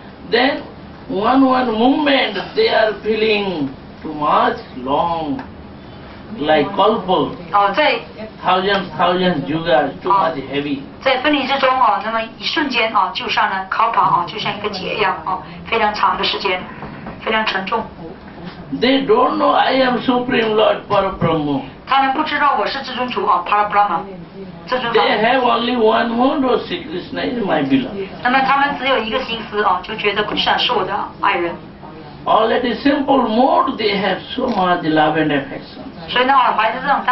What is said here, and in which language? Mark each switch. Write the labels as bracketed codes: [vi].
[en] Then, one moment, they are feeling too much long, like kalpa. Thousands yugas, too much heavy. [zh] 在分离之中，那么一瞬间就像呢，考跑就像一个劫一样，非常长的时间，非常沉重。 [en] They don't know I am Supreme Lord Parabrahma. [zh] 他们不知道我是至尊主，Parabrahma。 [en] They have only one mind, oh, Sri Krishna is my beloved. [zh] 那么他们只有一个心思，就觉得Krishna是我的爱人。 [en] Already simple mode, they have so much love and affection.